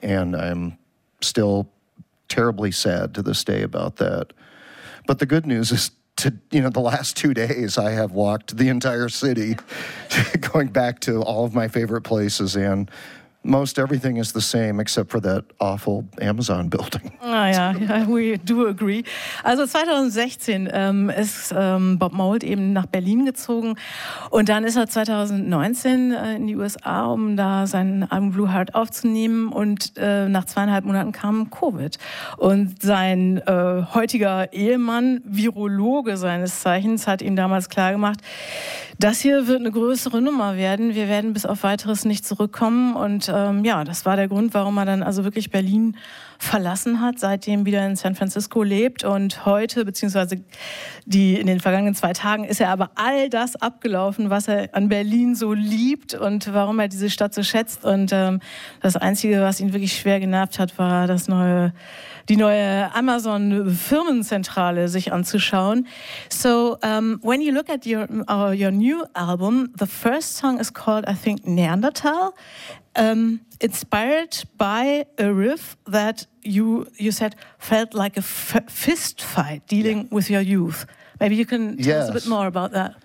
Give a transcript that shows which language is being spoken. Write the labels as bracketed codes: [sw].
[en] And I'm still terribly sad to this day about that. But the good news is, to, you know, the last 2 days I have walked the entire city going back to all of my favorite places and most everything is the same except for that awful Amazon building. Ah ja, we do agree. [de] Also 2016 ist Bob Mould eben nach Berlin gezogen und dann ist er 2019 in die USA, um da sein Album Blue Heart aufzunehmen und nach 2,5 Monaten kam Covid und sein heutiger Ehemann, Virologe seines Zeichens, hat ihm damals klargemacht, das hier wird eine größere Nummer werden, wir werden bis auf Weiteres nicht zurückkommen und ja, das war der Grund, warum er dann also wirklich Berlin verlassen hat, seitdem wieder in San Francisco lebt und heute, beziehungsweise in den vergangenen 2 Tagen, ist er aber all das abgelaufen, was er an Berlin so liebt und warum er diese Stadt so schätzt und das Einzige, was ihn wirklich schwer genervt hat, war die neue Amazon-Firmenzentrale sich anzuschauen. [en] So, when you look at your new album, the first song is called, I think, Neanderthal. Inspired by a riff that you said felt like a fist fight dealing with your youth. Maybe you can tell us a bit more about that.